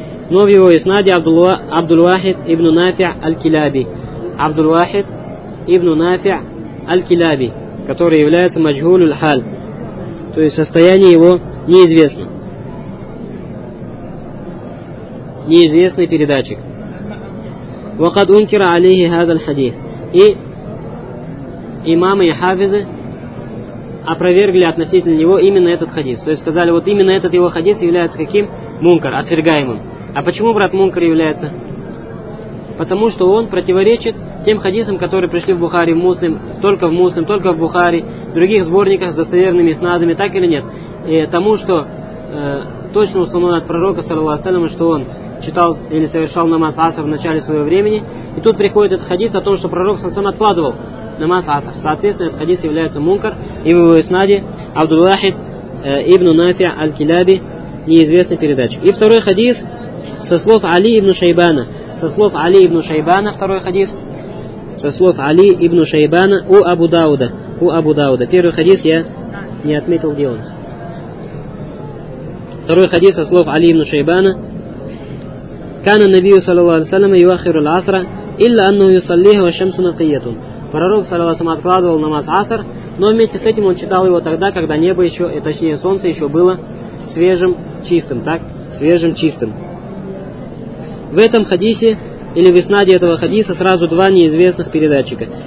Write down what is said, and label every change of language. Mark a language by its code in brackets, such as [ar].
[ru] Но в его иснаде Абдул-Вахид ибн Нафи' аль-Киляби. Абдул-Вахид ибн Нафи' аль-Киляби, который является маджхуль-уль-халь. То есть состояние его неизвестно. Неизвестный передатчик. [ar] وقد أنكر عليه هذا الحديث. [ru] И имамы и хафизы опровергли относительно него именно этот хадис. То есть сказали, вот именно этот его хадис является каким? Мункар, отвергаемым. А почему, брат, мункар является? Потому что он противоречит тем хадисам, которые пришли в Бухари, в Муслим, только в Муслим, только в Бухари, в других сборниках с достоверными снадами, так или нет. И тому, что точно установлено от пророка, саллаллаху алейхи ва саллям, что он читал или совершал намаз аср в начале своего времени. И тут приходит этот хадис о том, что пророк сам откладывал намаз аср. Соответственно, этот хадис является мункар. И в его иснаде Абдул-Вахид ибн Нафи' аль-Киляби, неизвестный передатчик. И второй хадис со слов Али ибн Шайбана. Со слов Али ибн Шайбана, второй хадис. Со слов Али ибн Шайбана у Абу Дауда. У Абу Дауда. Первый хадис я не отметил, где он. Второй хадис со слов Али ибн Шайбана. [ar] كان النبي صلى الله عليه وسلم يؤخر العصر إلا أنه يصليه والشمس نقية. [ru] Пророк [ar] صلى الله عليه وسلم [ru] откладывал намаз аср, но вместе с этим он читал его тогда, когда небо еще, и точнее солнце еще было свежим, чистым, так? Свежим, чистым. В этом хадисе, или в иснаде этого хадиса, сразу два неизвестных передатчика.